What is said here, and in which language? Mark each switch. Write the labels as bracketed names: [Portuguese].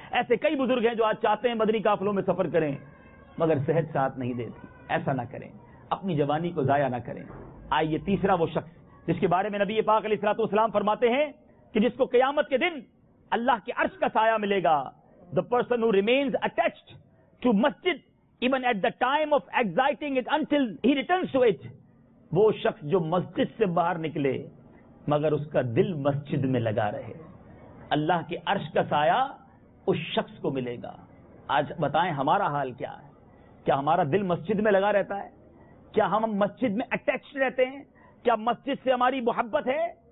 [Urdu] ایسے کئی بزرگ ہیں جو آج چاہتے ہیں مدنی قافلوں میں سفر کریں مگر صحت ساتھ نہیں دیتی. ایسا نہ کریں, اپنی جوانی کو ضائع نہ کریں. آئیے تیسرا وہ شخص جس کے بارے میں نبی پاک علیہ الصلوۃ والسلام فرماتے ہیں کہ جس کو قیامت کے دن اللہ کے عرش کا سایہ ملے گا. [English] The person who remains attached to masjid even at the time of exiting it until he returns to it. [Urdu] وہ شخص جو مسجد سے باہر نکلے مگر اس کا دل مسجد میں لگا رہے, اللہ کے عرش کا سایہ اس شخص کو ملے گا. آج بتائیں ہمارا حال کیا ہے, کیا ہمارا دل مسجد میں لگا رہتا ہے, کیا ہم مسجد میں اٹیچڈ رہتے ہیں, کیا مسجد سے ہماری محبت ہے.